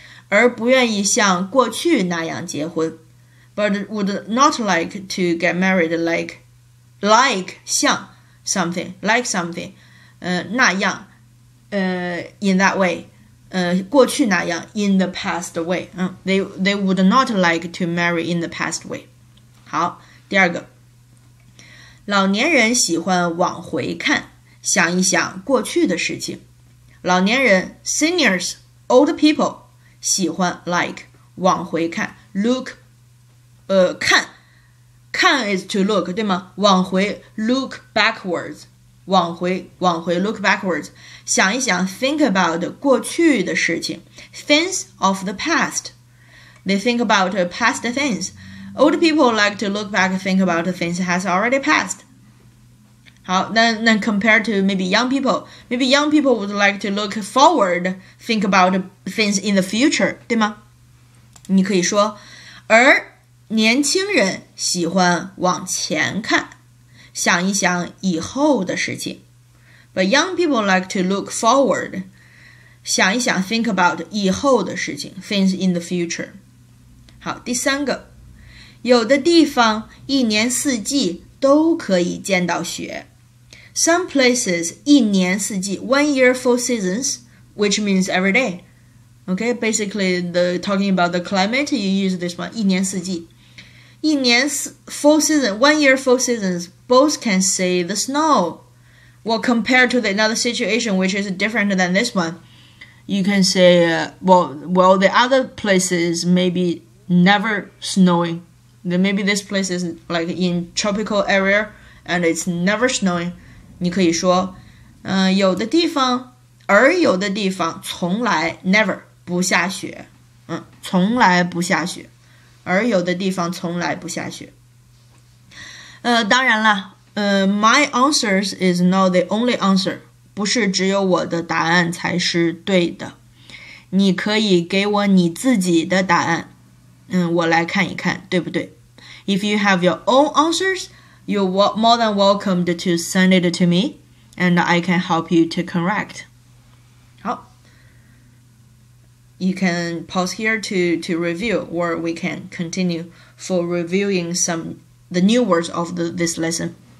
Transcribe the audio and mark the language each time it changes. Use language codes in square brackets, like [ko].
[zh] 而不愿意像过去那样结婚, [en] but would not like to get married like something, 那样，in that way, [zh] 过去那样 [en] in the past way, they would not like to marry in the past way. [zh] 好，第二个，老年人喜欢往回看，想一想过去的事情。 [en] 老年人 seniors, old people, 喜欢 like, 往回看 look, 看看 is to look, 对吗？往回 look backwards, 往回 look backwards, 想一想 think about [zh] 过去的事情 [en] things of the past, they think about past things, old people like to look back and think about things has already passed. 好，then compared to maybe young people would like to look forward, think about things in the future, 对吗？ [zh] 你可以说，而年轻人喜欢往前看，想一想以后的事情。 [en] But young people like to look forward, 想一想 think about [zh] 以后的事情 [en] things in the future. [zh] 好，第三个，有的地方一年四季都可以见到雪。 [en] Some places [zh] 一年四季 [en] one year four seasons, which means every day. Okay, basically talking about the climate, you use this one, [zh] 一年四季。 [en] 一年 full season, one year full seasons, both can see the snow. Well, compared to the another situation, which is different than this one, you can say, well, the other places maybe never snowing. Then maybe this place is like in tropical area and it's never snowing. [zh] 你可以说，有的地方，而有的地方从来 never 不下雪，从来不下雪。而有的地方从来不下雪。当然了， [en] my answers is not the only answer, [zh] 不是只有我的答案才是对的。你可以给我你自己的答案，我来看一看，对不对？ [en] If you have your own answers, you're more than welcome to send it to me, and I can help you to correct. [zh] 好。 [en] You can pause here to review, or we can continue for reviewing the new words of this lesson.